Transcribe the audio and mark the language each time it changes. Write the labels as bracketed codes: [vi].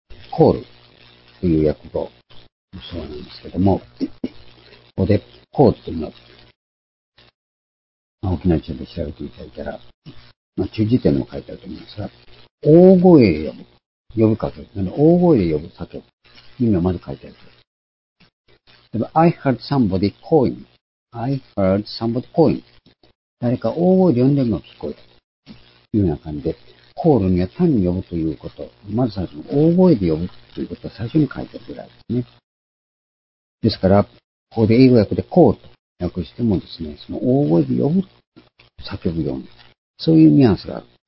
[ja] コールという訳語もそうなんですけども、ここでコールというのは、沖縄中で調べていただいたら、中辞典にも書いてあると思いますが、大声で呼ぶかけ、なので大声で呼ぶかけ、意味をまず書いてあると。 [en] 例えば、I heard somebody calling. I heard somebody calling. [ja] 誰か大声で呼んでるのが聞こえた。というような感じで、コールには単に呼ぶということ、まず最初に大声で呼ぶということを最初に書いてあるぐらいですね。ですから、ここで英語訳でコールと訳してもですね、その大声で呼ぶ、叫ぶように、そういうニュアンスがある。